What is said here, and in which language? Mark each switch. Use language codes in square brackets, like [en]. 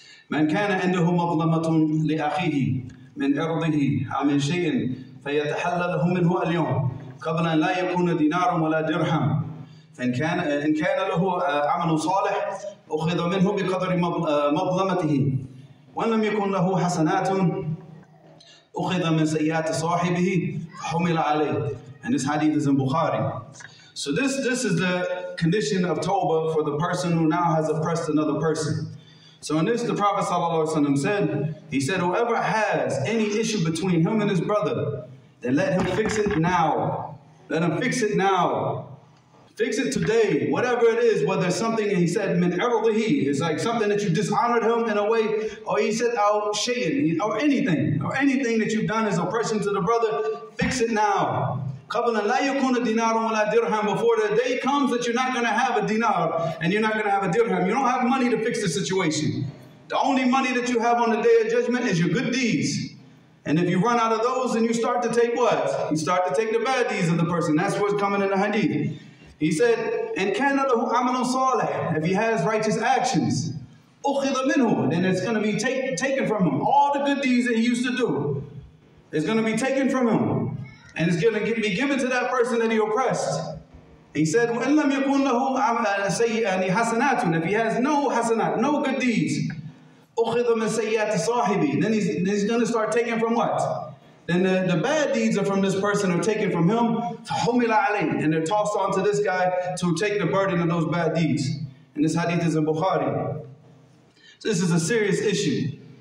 [ar] من كان عنده مظلمة لأخيه من إرضه أو من شيء فيتحلله منه اليوم قبل أن لا يكون دينار ولا درهم فإن كان له عمل صالح أخذ منه بقدر مظلمته وإن لم يكن له حسنات أخذ من سيئات صاحبه فحمل عليه. [en] And this hadith is in Bukhari. So this is the condition of Tawbah for the person who now has oppressed another person. So in this, the Prophet sallallahu alaihi wasallam said, he said, whoever has any issue between him and his brother, then let him fix it now. Let him fix it now. Fix it today, whatever it is, whether it's something, and he said, [ar] min irdihi, [en] it's like something that you dishonored him in a way, or he said, [ar] al shayin, [en] or anything that you've done is oppression to the brother, fix it now. [ar] قَبْلَ لَا يَكُونَ دِنَارٌ وَلَا دِرْهَمٌ. [en] Before the day comes that you're not going to have a dinar and you're not going to have a dirham. You don't have money to fix the situation. The only money that you have on the day of judgment is your good deeds. And if you run out of those, then you start to take what? You start to take the bad deeds of the person. That's what's coming in the hadith. He said, [ar] إِنْ كَانَ لَهُ عَمَلٌ صَالِحٌ. [en] If he has righteous actions, [ar] أُخِذَ مِنْهُ. [en] Then it's going to be taken from him. All the good deeds that he used to do is going to be taken from him. And it's going to be given to that person that he oppressed. He said, [ar] وَإِنْ لَمْ يَكُنْ لَهُ سَيِّئَةً حَسَنَاتٌ. [en] If he has no hasanat, no good deeds, [ar] أُخِذَ مِنْ سَيِّئَةِ صَاحِبِ. [en] Then he's going to start taking from what? Then the bad deeds are from this person are taken from him to [ar] humila alayh, [en] and they're tossed onto this guy to take the burden of those bad deeds. And this hadith is in Bukhari. So this is a serious issue.